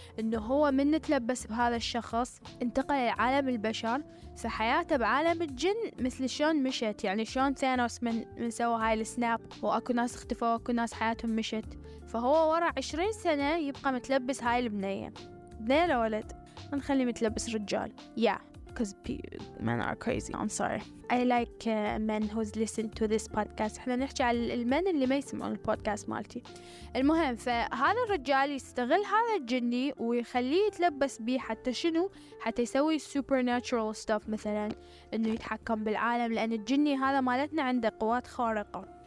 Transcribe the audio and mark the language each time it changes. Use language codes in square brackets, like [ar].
[ar] انه هو من تلبس بهذا الشخص انتقل لعالم البشر، فحياته بعالم الجن مثل شلون مشت يعني شلون ثانوس من سوى هاي السناب واكو ناس اختفوا واكو ناس حياتهم مشت، فهو ورا 20 سنة يبقى متلبس هاي البنية بنية ولد نخلي متلبس رجال. يا [en] Because men are crazy. I'm sorry. I like men who's listened to this podcast. [ar] إحنا نحكي على المن اللي ما يسمعون البودكاست مالتي. المهم فهذا الرجال يستغل هذا الجني ويخليه يتلبس به حتى شنو؟ حتى يسوي [en] supernatural stuff [ar] مثلاً إنه يتحكم بالعالم لأن الجني هذا مالتنا عنده قوات خارقة.